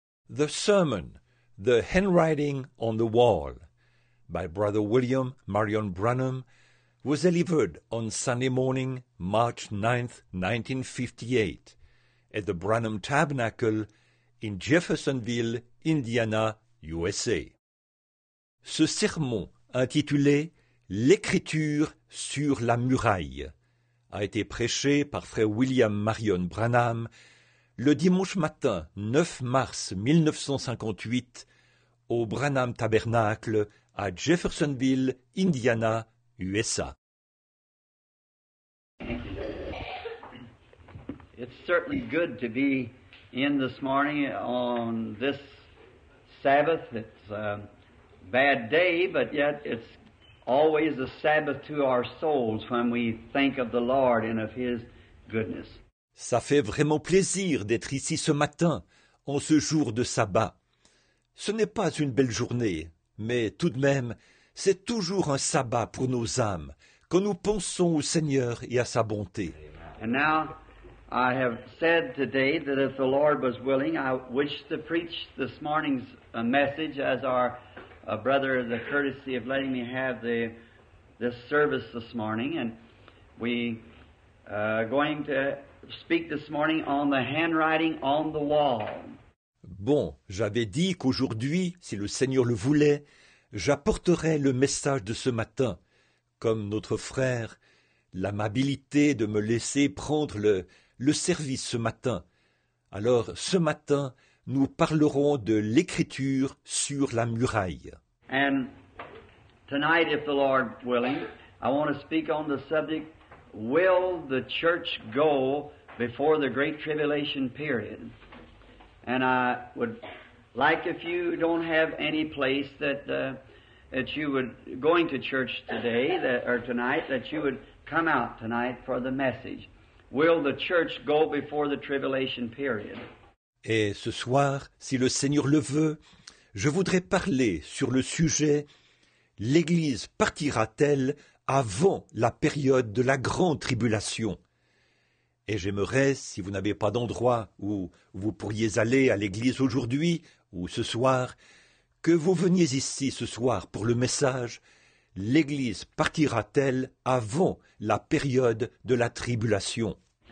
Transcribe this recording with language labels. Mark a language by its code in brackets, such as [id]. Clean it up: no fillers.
[en] The Sermon, The Handwriting on the Wall, by Brother William Marion Branham, was delivered on Sunday morning, March 9, 1958, at the Branham Tabernacle in Jeffersonville, Indiana, USA. [fr] Ce sermon, intitulé « L'écriture sur la muraille », a été prêché par Frère William Marion Branham le dimanche matin 9 mars 1958 au Branham Tabernacle à Jeffersonville, Indiana, USA. [en] It's certainly good to be in this morning on this Sabbath. It's a bad day, but yet it's always a Sabbath to our souls when we think of the Lord and of His goodness. [fr] Ça fait vraiment plaisir d'être ici ce matin, en ce jour de sabbat. Ce n'est pas une belle journée, mais tout de même, c'est toujours un sabbat pour nos âmes, quand nous pensons au Seigneur et à sa bonté. [en] And now, I have said today that if the Lord was willing, I wish to preach this morning's message as our brother the courtesy of letting me have this service this morning. And we are going to speak this morning on the handwriting on the wall. [fr] Bon, j'avais dit qu'aujourd'hui, si le Seigneur le voulait, j'apporterai le message de ce matin, comme notre frère, l'amabilité de me laisser prendre le service ce matin. Alors, ce matin, nous parlerons de l'écriture sur la muraille. [en] And tonight, if the Lord willing, I want to speak on the subject, will the church go before the great tribulation period? And I would like, if you don't have any place that you would going to church today or tonight, that you would come out tonight for the message. Will the church go before the tribulation period? [fr] Et ce soir, si le Seigneur le veut, je voudrais parler sur le sujet, l'Église partira-t-elle avant la période de la grande tribulation? Et j'aimerais, si vous n'avez pas d'endroit où vous pourriez aller à l'église aujourd'hui ou ce soir, que vous veniez ici ce soir pour le message « L'Église partira-t-elle avant la période de la tribulation ?»